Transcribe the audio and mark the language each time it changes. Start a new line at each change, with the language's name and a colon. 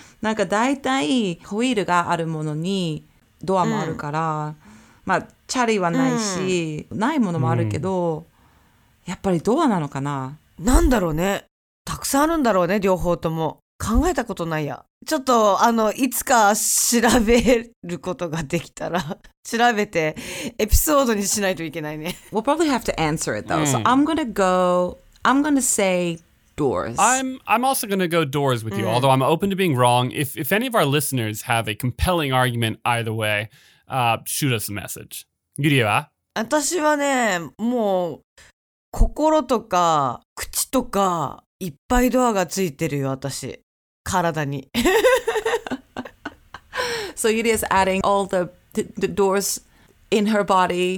Japanese: なんかだいたいホイールがあるものにドアもあるから、まあチャリはないし、ないものもあるけど、やっぱりドアなのかな。なんだろうね。たくさんあるんだろうね、両方とも。考えたことないや。ちょっと、いつか調べることができたら、調べて、エピソードにしないといけないね。
English: We'll probably have to answer it, though. So I'm gonna say doors. I'm also gonna go doors with you, although I'm open to being wrong. If any of our listeners have a compelling argument either way, shoot us a message.
Japanese: ゆりは？私はね、もう、心とか、口とか、いっぱいドアがついてるよ、私。体に。
English: So Yuri is adding all the doors in her body.